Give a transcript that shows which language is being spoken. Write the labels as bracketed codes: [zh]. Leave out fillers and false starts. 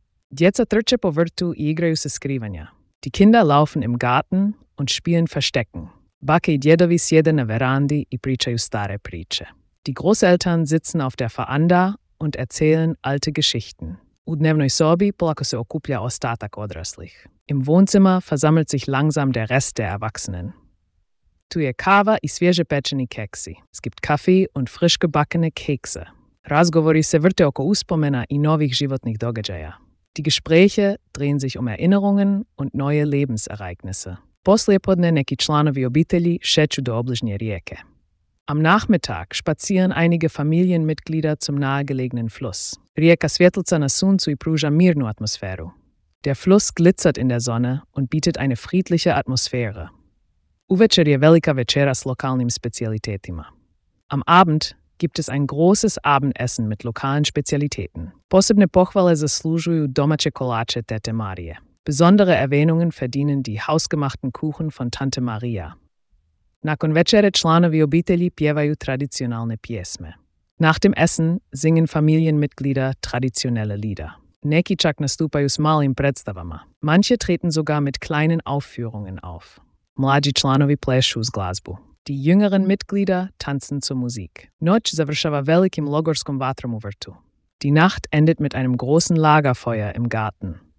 [hr] Djeca trče po vrtu i igraju se skrivanja. [de] Die Kinder laufen im Garten und spielen Verstecken. [hr] Bake i djedovi sjede na verandi i pričaju stare priče. [de] Die Großeltern sitzen auf der Veranda und erzählen alte Geschichten. [hr] U dnevnoj sobi polako se okuplja ostatak odraslih. [de] Im Wohnzimmer versammelt sich langsam der Rest der Erwachsenen. [hr] Tu je kava i svježe pečeni keksi. [de] Es gibt Kaffee und frisch gebackene Kekse. [hr] Razgovori se vrte oko uspomena i novih životnih događaja. [de] Die Gespräche drehen sich um Erinnerungen und neue Lebensereignisse. [hr] Poslijepodne neki članovi obitelji šeću do obližnje rijeke. [de] Am Nachmittag spazieren einige Familienmitglieder zum nahegelegenen Fluss. [hr] Rijeka svjetlica na suncu i pruža mirnu atmosferu. [de] Der Fluss glitzert in der Sonne und bietet eine friedliche Atmosphäre. [hr] Uvečer je velika večera s lokalnim specialitetima. [de] Am Abend gibt es ein großes Abendessen mit lokalen Spezialitäten. [hr] Posebne pohvale zaslužuju domaće kolače Tete Marije. [de] Besondere Erwähnungen verdienen die hausgemachten Kuchen von Tante Maria. [hr] Nakon večere članovi obitelji pjevaju tradicionalne pjesme. [de] Nach dem Essen singen Familienmitglieder traditionelle Lieder. [hr] Neki čak nastupaju s malim predstavama. [de] Manche treten sogar mit kleinen Aufführungen auf. [hr] Mlađi članovi plešu uz glazbu. [de] Die jüngeren Mitglieder tanzen zur Musik. [hr] Noć završava velikim logorskom vatrom u vrtu. [de] Die Nacht endet mit einem großen Lagerfeuer im Garten.